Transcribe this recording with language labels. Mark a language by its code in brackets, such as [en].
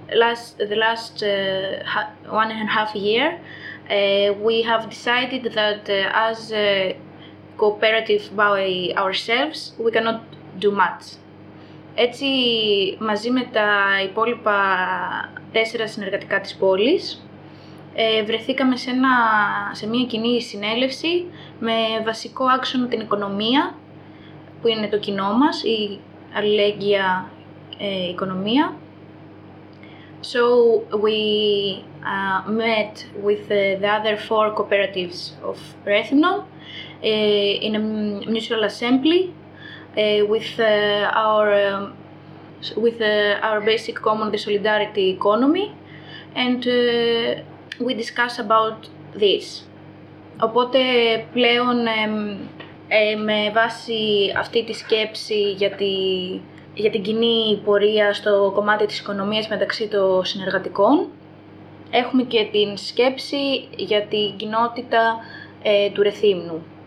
[en] The last 1.5 years, we have decided that as a cooperative by ourselves, we cannot do much. [el] Έτσι, μαζί με τα υπόλοιπα 4 συνεργατικά της πόλης, βρεθήκαμε σε μια κοινή συνέλευση με βασικό άξονα την οικονομία, που είναι το κοινό μας, η αλληλέγγυα οικονομία. [en] So we met with the other 4 cooperatives of Ρέθυμνο in a mutual assembly with our basic common, the solidarity economy, and we discuss about this. [el] Οπότε πλέον με βάση αυτή τη σκέψη για την κοινή πορεία στο κομμάτι της οικονομίας μεταξύ των συνεργατικών, έχουμε και την σκέψη για την κοινότητα του Ρεθύμνου.